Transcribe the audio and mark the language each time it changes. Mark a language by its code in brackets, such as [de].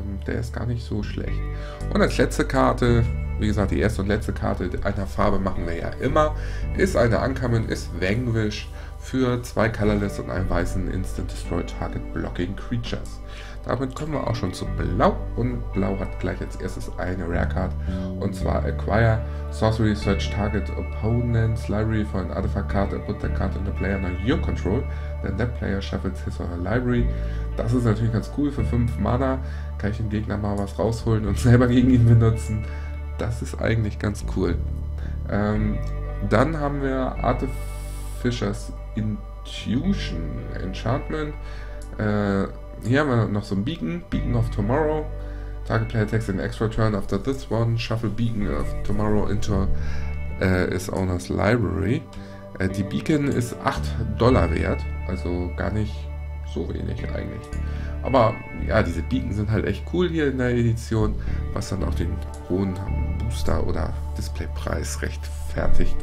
[de] Der ist gar nicht so schlecht. Und als letzte Karte, wie gesagt, die erste und letzte Karte einer Farbe machen wir ja immer, ist eine Uncommon, ist Vanquish für 2 Colorless und einen weißen Instant [en] Destroy Target Blocking Creatures. [de] Damit kommen wir auch schon zu Blau. Und Blau hat gleich als erstes eine Rare Card. Und zwar [en] Acquire Sorcery Search Target Opponent's Library for an Artifact Card and put the card in the player under your control. Then that player shuffles his or her library. [de] Das ist natürlich ganz cool. Für 5 Mana kann ich dem Gegner mal was rausholen und selber gegen ihn benutzen. Das ist eigentlich ganz cool. Dann haben wir Artificer's Intuition Enchantment. Hier haben wir noch so ein Beacon of Tomorrow. [en] Target player takes an extra turn after this one. Shuffle Beacon of Tomorrow into his owner's library. [de] Die Beacon ist 8 Dollar wert, also gar nicht so wenig eigentlich. Aber ja, diese Beacon sind halt echt cool hier in der Edition, was dann auch den hohen Booster- oder Displaypreis rechtfertigt.